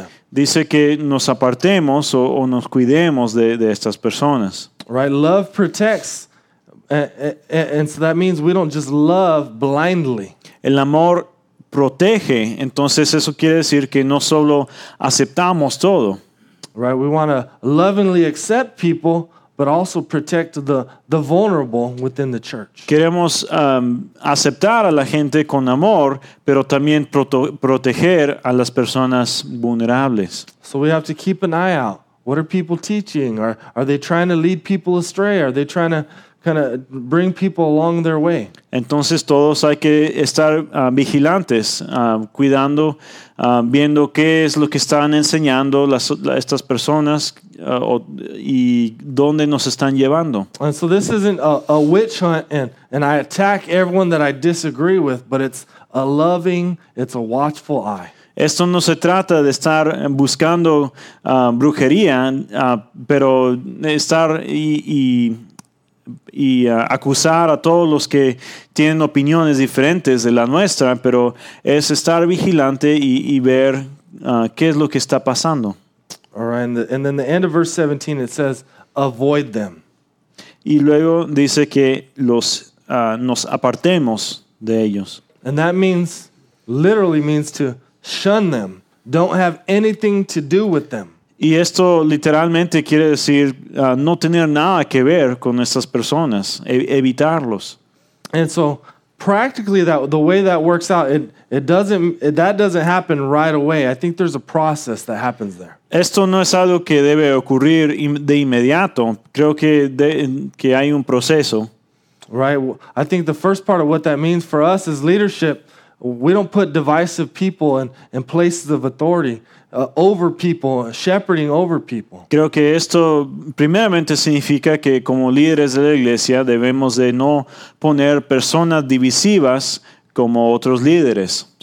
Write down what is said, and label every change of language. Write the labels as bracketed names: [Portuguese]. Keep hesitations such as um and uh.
[Spanish] Dice que nos apartemos o, o nos cuidemos de, de estas personas. El amor protege, entonces eso quiere decir que no solo aceptamos todo. [English] Right, we but also protect the, the vulnerable within the church. [Spanish] Queremos um, aceptar a la gente con amor, pero también proto- proteger a las personas vulnerables. [English] So we have to keep an eye out. What are people teaching? Are, are they trying to lead people astray? Are they trying to kind of bring people along their way. [Spanish] Entonces todos hay que estar uh, vigilantes, uh, cuidando, uh, viendo qué es lo que están enseñando las, estas personas uh, o, y dónde nos están llevando. [English] And so this isn't a, a, witch hunt and, and I attack everyone that I disagree with, but it's a loving, it's a watchful eye. [Spanish] Esto no se trata de estar buscando brujería, pero estar y, y y uh, acusar a todos los que tienen opiniones diferentes de la nuestra, pero es estar vigilante y, y ver uh, qué es lo que está pasando. [English] Right. And the, and the end of verse 17 it says avoid them. [Spanish] Y luego dice que los, uh, nos apartemos de ellos. [English] And that means literally means to shun them. Don't have anything to do with them. [Spanish] Y esto literalmente quiere decir uh, no tener nada que ver con estas personas, e evitarlos. [English] And so practically that the way that works out it it doesn't it, that doesn't happen right away. I think there's a process that happens there. [Spanish] Esto no es algo que debe ocurrir in, de inmediato. Creo que de, que hay un proceso. Right? [English] I think the first part of what that means for us is leadership. We don't put divisive people in, in places of authority. Uh, over people, uh, shepherding over people. I think this [Spanish] primeramente significa que como líderes de la iglesia debemos de no poner personas divisivas como otros líderes.